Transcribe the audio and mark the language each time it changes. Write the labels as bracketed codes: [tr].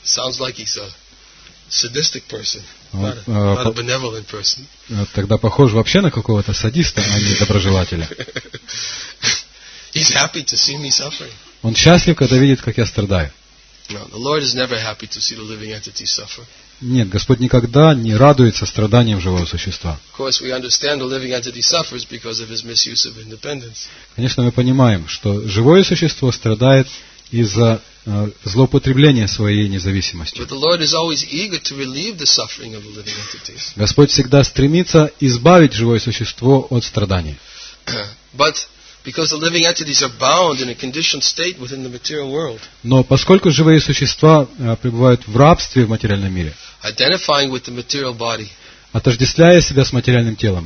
[en] Sounds like he's a sadistic person, not a benevolent person. [ru] Тогда похож вообще на какого-то садиста, а не доброжелателя. [en] He's happy to see me suffering. [ru] Он счастлив, когда видит, как я страдаю. [en] No, the Lord is never happy to see the living entity suffer. [ru] Нет, Господь никогда не радуется страданиям живого существа. [en] Of course, we understand the living entity suffers because of his misuse of independence. [ru] Конечно, мы понимаем, что живое существо страдает из-за злоупотребления своей независимостью. [en] But the Lord is always eager to relieve the suffering of the living entities. [ru] Господь всегда стремится избавить живое существо от страданий. [en] But because the living entities are bound in a conditioned state within the material world. [ru] Но поскольку живые существа пребывают в рабстве в материальном мире. [en] Identifying with the material body. [ru] Отождествляя себя с материальным телом.